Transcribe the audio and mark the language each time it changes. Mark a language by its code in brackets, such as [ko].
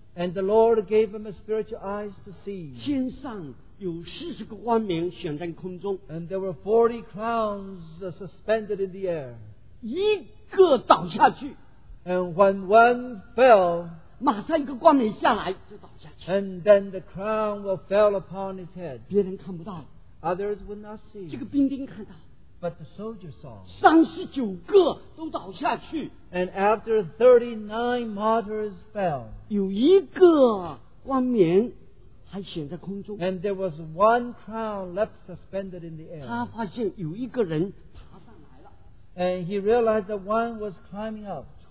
[en] and the Lord gave him a spiritual eyes to see. [zh] 天上有40个冠冕悬在空中, [en] and there were 40 crowns suspended in the air. [zh] 一个倒下去, [en] and when one fell, [zh] 马上一个冠冕下来, [en] and then the crown will fall upon his head. [zh] 别人看不到, [en] others would not see. [zh] 这个兵丁看到, [en] but the soldier saw. [zh] 39个都倒下去, [en] and after 39 martyrs fell, [zh] 有一个冠冕还悬在空中, [en] and there was one crown left suspended in the air. [zh] 他发现有一个人爬上来了, [en] and he realized that one was climbing up.